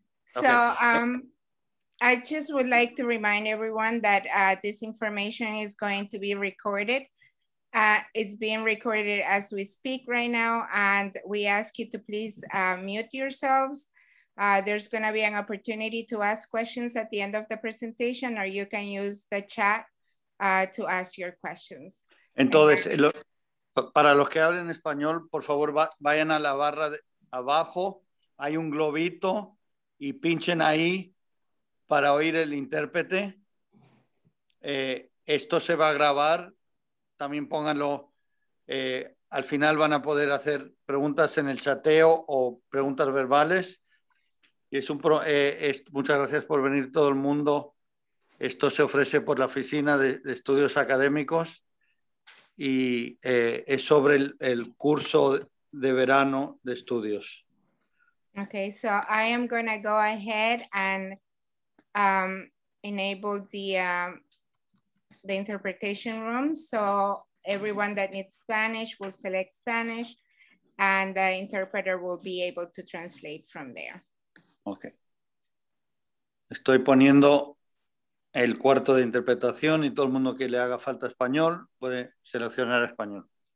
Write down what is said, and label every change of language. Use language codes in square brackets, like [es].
[en] So I just would like to remind everyone that this information is going to be recorded. It's being recorded as we speak right now, and we ask you to please mute yourselves. There's going to be an opportunity to ask questions at the end of the presentation, or you can use the chat to ask your questions. [es] Entonces, para los que hablen español, por favor, vayan a la barra de abajo. Hay un globito y pinchen ahí para oír el intérprete. Esto se va a grabar. También pónganlo. Al final van a poder hacer preguntas en el chateo o preguntas verbales. Y es un pro, muchas gracias por venir todo el mundo. Esto se ofrece por la Oficina de Estudios Académicos y es sobre el curso de verano de estudios. [en] Okay, so I am going to go ahead and enable the interpretation room. So everyone that needs Spanish will select Spanish and the interpreter will be able to translate from there. Okay. [es] Estoy poniendo el cuarto de interpretación y todo el mundo que le haga falta español puede seleccionar español.